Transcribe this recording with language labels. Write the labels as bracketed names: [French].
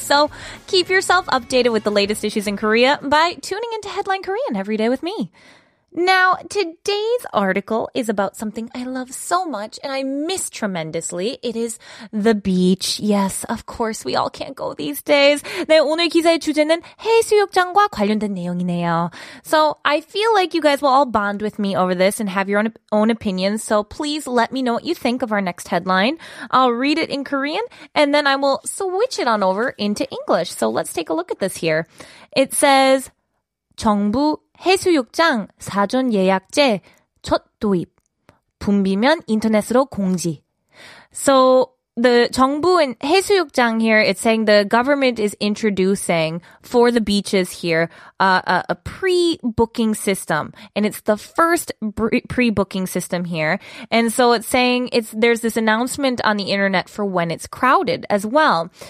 [English] So keep yourself updated with the latest issues in Korea by tuning into Headline Korean every day with me. Now, today's article is about something I love so much and I miss tremendously. It is the beach. Yes, of course, we all can't go these days. [Korean] 네, 오늘 기사의 주제는 해수욕장과 관련된 내용이네요. [English] So, I feel like you guys will all bond with me over this and have your own opinions. So, please let me know what you think of our next headline. I'll read it in Korean and then I will switch it on over into English. So, let's take a look at this here. It says, [Korean] 정부 해수욕장 사전 예약제 첫 도입. 붐비면 인터넷으로 공지. [English] So the 정부 and 해수욕장 here, it's saying the government is introducing for the beaches here a pre-booking system. And it's the first pre-booking system here. And so it's saying there's this announcement on the internet for when it's crowded as well.